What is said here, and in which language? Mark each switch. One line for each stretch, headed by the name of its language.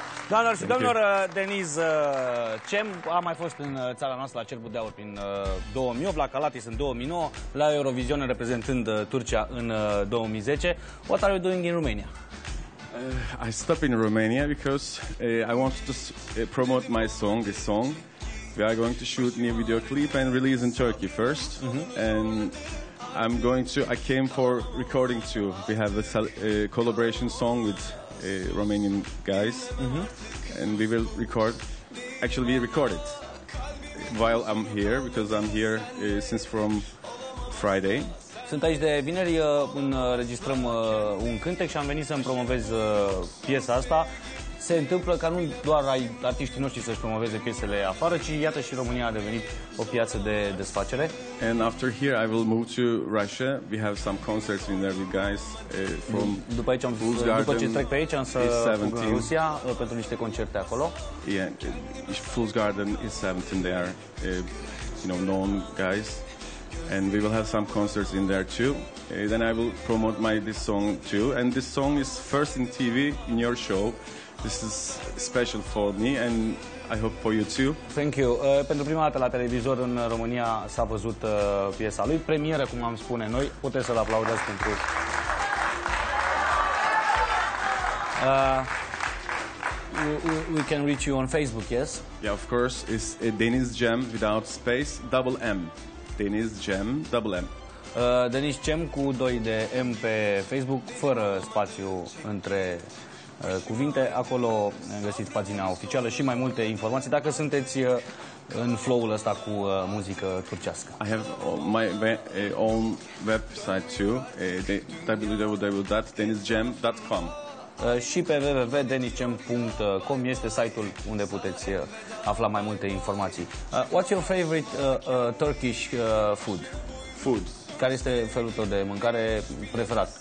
Romanian: Doamnelor și domnilor, Denise Cem a mai fost în țara noastră la Cerbul de Aur prin 2008, la Calatis în 2009, la Eurovision reprezentând Turcia în 2010.
English: What are you doing in Romania? I stopped in Romania because I wanted to promote my song, this song. We are going to shoot new video clip and release in Turkey first. Mm-hmm. And I came for recording too. We have a collaboration song with Romanian guys. Mm-hmm. And we will record. Actually, we record it while I'm here, because I'm here since from Friday.
Romanian: Sunt aici de vineri, înregistrăm un cântec și am venit să-mi promovez piesa asta. Se întâmplă ca nu doar ai artiștii noștri să-și promoveze piesele afară, ci iată și România a devenit o piață de desfacere.
English: And after here I will move to Russia. We have some concerts in there with guys from
Romanian: după aici am zis, după ce trec pe aici, am să merg în Rusia pentru niște concerte acolo.
English: Yeah, Fool's Garden is 17, they are known guys. And we will have some concerts in there too. Then I will promote this song too. And this song is first in TV in your show. This is special for me and I hope for you too. Thank you.
Romanian: Pentru prima dată la televizor în România s-a văzut piesa lui. Premieră, cum am spune noi. Puteți să-l aplaudați pentru...
English: We can reach you on Facebook, yes? Yeah, of course. It's Denise Cem without space, double M. Denise Cem, double M.
Romanian: Denise Cem cu 2 de M pe Facebook, fără spațiu între cuvinte. Acolo găsiți pagina oficială și mai multe informații dacă sunteți în flow-ul ăsta cu muzică turcească.
English: I have my own website too, www.denisecem.com.
Romanian: Și pe www.denisecem.com este site-ul unde puteți afla mai multe informații.
English: What's your favorite Turkish food? Food.
Romanian: Care este felul tău de mâncare preferat?